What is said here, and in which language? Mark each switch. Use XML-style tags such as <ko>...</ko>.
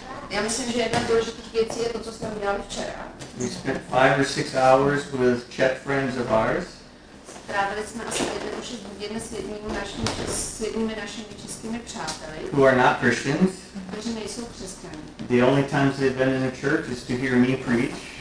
<cs>Já myslím, že jedna důležitých věcí je to, co jsme udělali včera.</cs> <en>We spent 5 or 6 hours with Czech friends of ours.</en> <cs>Strávili jsme asi jednu či hodinu s jednými našimi českými přáteli.</cs> <en>Who are not Christians.</en> <cs>Kteří nejsou křesťané.</cs> <en>The only times they've been in a church is to hear me preach.</en>